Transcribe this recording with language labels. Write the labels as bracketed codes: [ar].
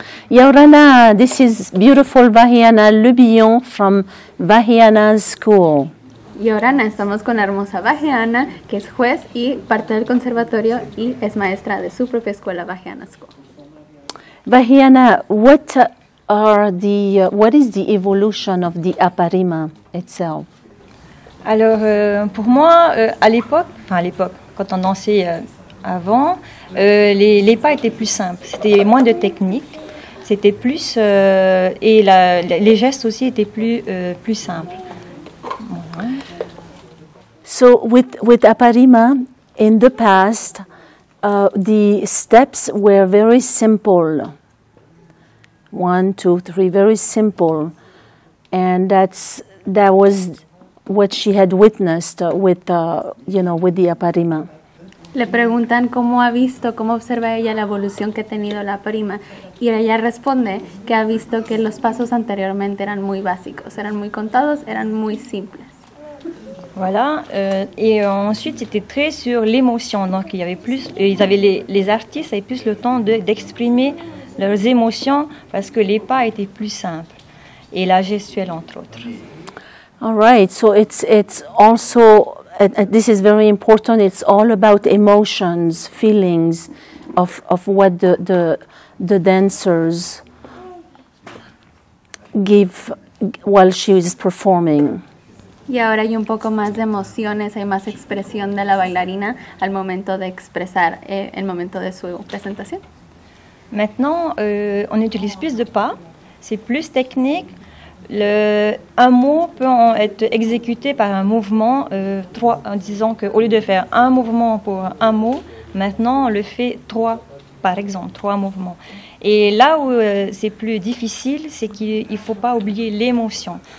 [en] Yorana, this is beautiful Vahiana Lubillon from Vahiana's school. [es] Yorana, estamos con la hermosa Vahiana, que es juez y parte del conservatorio y es maestra de su propia escuela, Vahiana School. [en] Vahiana, what is the evolution of the Aparima itself? [fr] Alors, pour moi, à l'époque, quand on dansait avant, les pas étaient plus simples, c'était moins de techniques, c'était plus, et les gestes aussi étaient plus simples. [en] So with Aparima, in the past, the steps were very simple. 1, 2, 3, very simple. And that was what she had witnessed with the Aparima. [es] Le preguntan cómo ha visto, cómo observa ella la evolución que ha tenido la prima. Y ella responde que ha visto que los pasos anteriormente eran muy básicos, eran muy contados, eran muy simples. [fr] Voilà. Ensuite, c'était très sur l'émotion. Donc, il y avait plus, ils avaient les artistes avaient plus le temps d'exprimer leurs émotions parce que les pas étaient plus simples. Et la gestuelle, entre autres. [en] All right. So, it's also... And this is very important. It's all about emotions, feelings, of what the dancers give while she is performing. [es] Y ahora hay un poco más de emociones, hay más expresión de la bailarina al momento de expresar el momento de su presentación. [fr] Maintenant, on utilise plus de pas. C'est plus technique. Un mot peut être exécuté par un mouvement, en disant qu'au lieu de faire un mouvement pour un mot, maintenant on le fait trois, par exemple, trois mouvements. Et là où c'est plus difficile, c'est qu'il ne faut pas oublier l'émotion.